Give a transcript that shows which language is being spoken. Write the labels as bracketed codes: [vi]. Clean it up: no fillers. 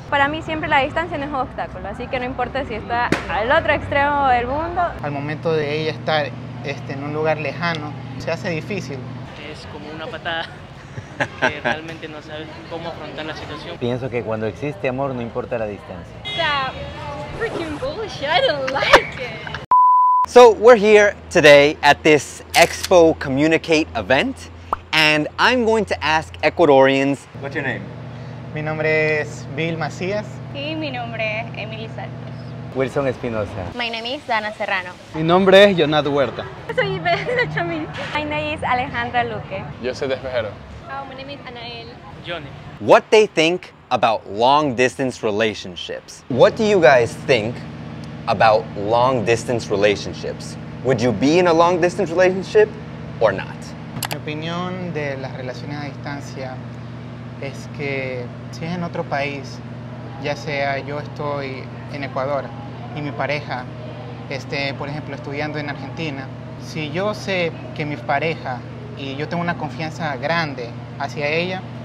[es] Para mí siempre la distancia no es un obstáculo, así que no importa si está al otro extremo del mundo. Al momento de ella estar en un lugar lejano, se hace difícil. Es como una patada, que realmente no sabes cómo afrontar la situación. Pienso que cuando existe amor no importa la distancia. [en] That freaking bullshit, I don't like it. So we're here today at this Expo Communicate event. And I'm going to ask Ecuadorians. What's your name? [es] Mi nombre es Bill Macías. Y mi nombre es Emily Santos. Wilson Espinosa. [en] My name is Dana Serrano. [es] Mi nombre es Jonat Huerta. Soy Ibel Chamin. [en] My name is Alejandra Luque. [es] Yo soy Despejero. [en] Oh, my name is Anael. Johnny. What they think about long distance relationships. What do you guys think about long distance relationships? Would you be in a long distance relationship or not? [es] Mi opinión de las relaciones a distancia es que si es en otro país, ya sea yo estoy en Ecuador y mi pareja esté, por ejemplo, estudiando en Argentina, si yo sé que mi pareja y yo tengo una confianza grande hacia ella